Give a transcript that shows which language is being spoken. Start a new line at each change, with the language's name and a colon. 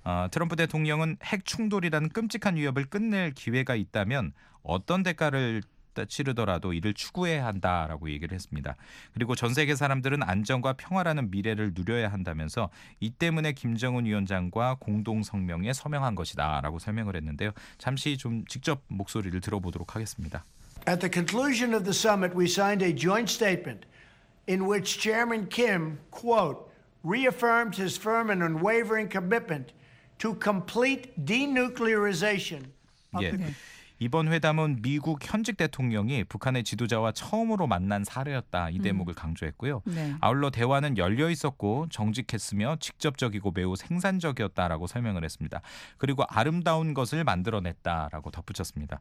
Korean: 트럼프 대통령은 핵 충돌이라는 끔찍한 위협을 끝낼 기회가 있다면 어떤 대가를 치르더라도 이를 추구해야 한다라고 얘기를 했습니다. 그리고 전 세계 사람들은 안전과 평화라는 미래를 누려야 한다면서 이 때문에 김정은 위원장과 공동 성명에 서명한 것이다라고 설명을 했는데요. 잠시 좀 직접 목소리를 들어보도록 하겠습니다.
English: At the conclusion of the summit, we signed a joint statement in which Chairman Kim, quote, reaffirmed his firm and unwavering commitment to complete denuclearization.
Korean: 예. 이번 회담은 미국 현직 대통령이 북한의 지도자와 처음으로 만난 사례였다. 이 대목을 강조했고요. 네. 아울러 대화는 열려 있었고 정직했으며 직접적이고 매우 생산적이었다라고 설명을 했습니다. 그리고 아름다운 것을 만들어냈다라고 덧붙였습니다.